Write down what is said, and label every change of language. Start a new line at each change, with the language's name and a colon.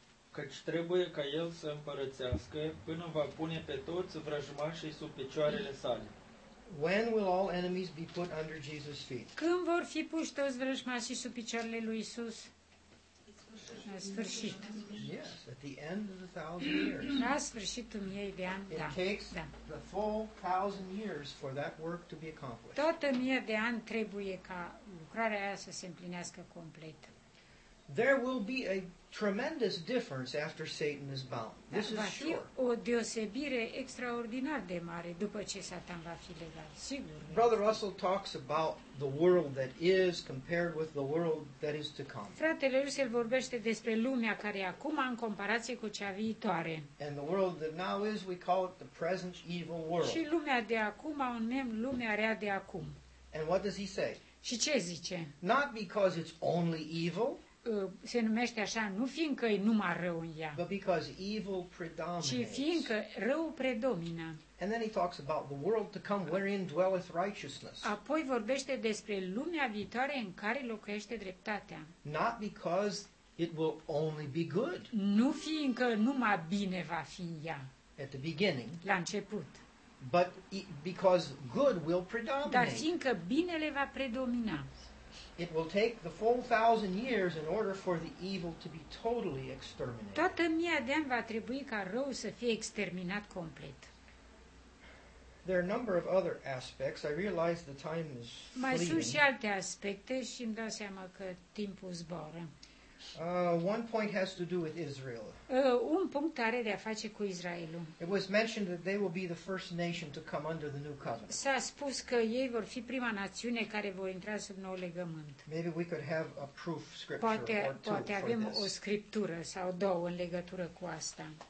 Romanian: căci trebuie ca El să împărățească până va pune pe toți vrăjmașii sub picioarele sale.
English: When will all enemies be put under Jesus' feet?
Romanian: Când vor fi puși toți vrăjmașii sub picioarele lui Isus? Sfârșit.
English: Yes, at the end of the thousand years.
Romanian: La sfârșitul miei de ani, da.
English: It takes the full thousand years for that work to be accomplished.
Romanian: Toată mie de ani trebuie ca lucrarea aia să se împlinească complet.
English: There will be a tremendous difference after Satan is bound. This is sure.
Romanian: O deosebire extraordinar de mare după ce Satan va fi legat, sigur.
English: Brother Russell talks about the world that is compared with the world that is to come.
Romanian: Fratele Russell vorbește despre lumea care e acum în comparație cu cea viitoare.
English: And the world that now is, we call it the present evil world.
Romanian: Și lumea de acum o numim lumea rea de acum.
English: And what does he say?
Romanian: Și ce zice?
English: Not because it's only evil.
Romanian: Se numește așa, nu fiindcă e numai rău în ea,
English: but because evil predominates.
Romanian: Ci fiindcă rău predomină.
English: And then he talks about the world to come wherein dwelleth righteousness.
Romanian: Apoi vorbește despre lumea viitoare în care locuiește dreptatea.
English: Not because it will only be good.
Romanian: Nu fiindcă numai bine va fi în ea.
English: At the beginning.
Romanian: La început.
English: But because good will predominate.
Romanian: Dar fiindcă binele va predomina.
English: It will take the full thousand years in order for the evil to be totally exterminated.
Romanian: Toată mia de ani va trebui ca răul să fie exterminat complet.
English: There are a number of other aspects. I realize the time is fleeting.
Romanian: Mai sunt și alte aspecte și îmi dau seama că timpul zboară.
English: One point has to do with Israel.
Romanian: Un punct are de a face cu Israelul.
English: It was mentioned that they will be the first nation to come under the new covenant.
Romanian: S-a spus că ei vor fi prima națiune care vor intra sub nou legământ.
English: Maybe we could have a proof scripture or two for this.
Romanian: Poate avem o scriptură sau două în legătură cu asta.